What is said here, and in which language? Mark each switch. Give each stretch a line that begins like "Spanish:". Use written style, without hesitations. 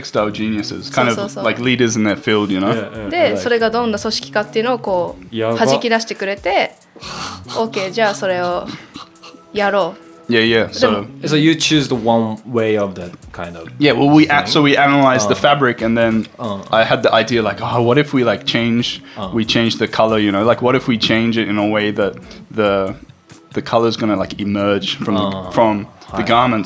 English: geniuses, kind of like leaders in their field, you know?
Japanese: で、それがどんな組織かっていうのをこう弾き出してくれて、OK、じゃあそれをやろう。
English: So you choose the one way of that kind of We analyze the fabric, and then I had the idea like, oh, what if we like change the color, you know, like what if we change it in a way that the color is going to like emerge from the garment.